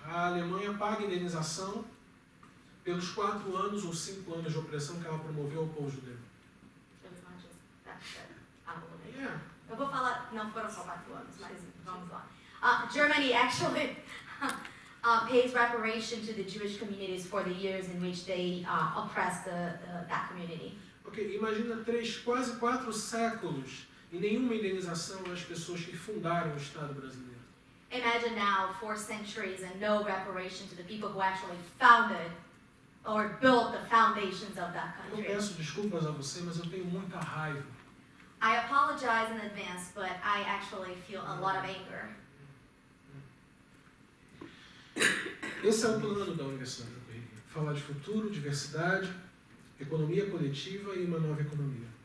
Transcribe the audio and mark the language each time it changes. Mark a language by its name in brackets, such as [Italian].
[Portuguese] A Alemanha paga indenização pelos 4 anos ou 5 anos de opressão que ela promoveu ao povo judeu. [English] It was not just that, but [Portuguese] yeah. Eu vou falar, não foram só 4 anos, mas vamos lá. [English] Germany actually pays reparation to the Jewish communities for the years in which they oppressed that community. [Portuguese] Okay, imagina quase 4 séculos e nenhuma indenização às pessoas que fundaram o Estado brasileiro. [English] Imagine now 4 centuries and no reparation to the people who actually founded or built the foundations of that country. [Portuguese] Eu peço desculpas a você, mas eu tenho muita raiva. [English] I apologize in advance, but I actually feel a lot of anger. [Portuguese] Esse é o plano da Universidade da Correia. Falar de futuro, diversidade, economia coletiva e uma nova economia.